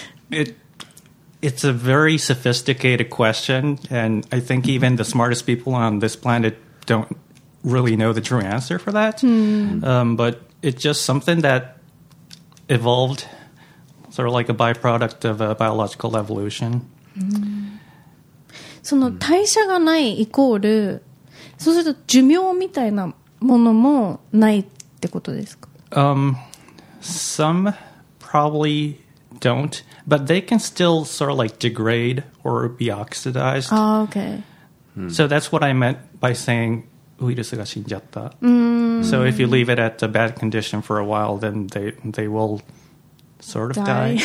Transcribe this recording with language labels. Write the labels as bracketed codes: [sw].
[en] It's a very sophisticated question, and I think even the smartest people on this planet don't really know the true answer for that. But it's just something that evolved, sort of like a byproduct of a biological evolution. [ja] その代謝がないイコール、そうすると寿命みたいなものもないってことですか？ [en] Some probably don't, but they can still sort of like degrade or be oxidized. Ah, okay. So that's what I meant by saying [ja] ウイルスが死んじゃった。 [en] Mm. So if you leave it at a bad condition for a while, then they will sort of die.